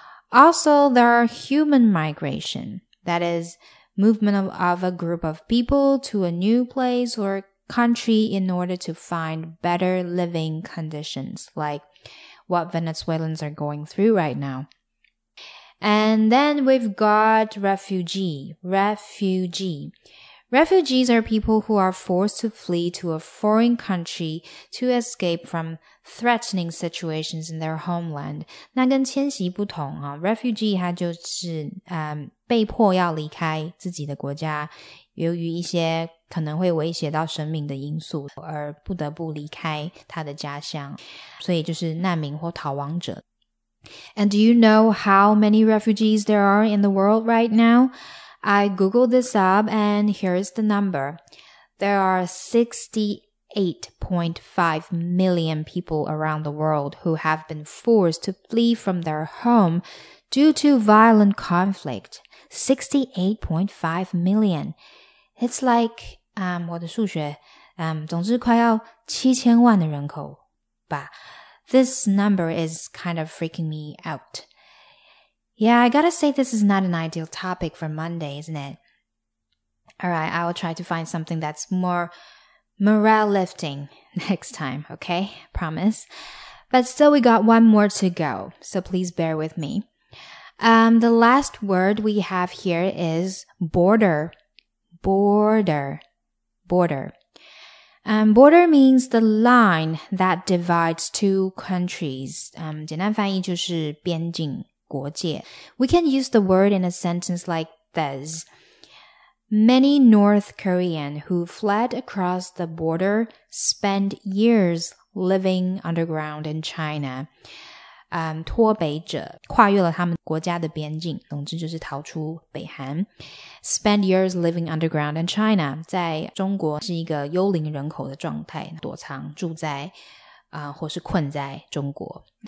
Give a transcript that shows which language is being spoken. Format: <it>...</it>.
<en>Also, there are human migration, that is, movement of a group of people to a new place or country in order to find better living conditions, like what Venezuelans are going through right now. And then we've got refugee. Refugee. Refugees are people who are forced to flee to a foreign country to escape from threatening situations in their homeland.</en> <zh>那跟迁徙不同啊 ,refugee 它就是被迫要离开自己的国家由于一些可能会威胁到生命的因素而不得不离开他的家乡。所以就是难民或逃亡者。</zh> <en>And do you know how many refugees there are in the world right now? I googled this up and here's the number. There are 68.5 million people around the world who have been forced to flee from their home due to violent conflict. 68.5 million. It's like,</en> <zh>我的数学，总之快要7000万的人口吧。</zh> <en>This number is kind of freaking me out. Yeah, I gotta say this is not an ideal topic for Monday, isn't it? Alright, I will try to find something that's more morale lifting next time, okay? Promise. But still, we got one more to go, so please bear with me. The last word we have here is border. Border. Border. Border means the line that divides two countries.</en> <zh>简单翻译就是边境国界。</zh> <en>We can use the word in a sentence like this. Many North Korean who fled across the border spend years living underground in China.</en> <zh>脱北者跨越了他们国家的边境，总之就是逃出北韩。</zh> <en>Spend years living underground in China.</en> <zh>在中国是一个幽灵人口的状态，躲藏住在或是困在中国。</zh>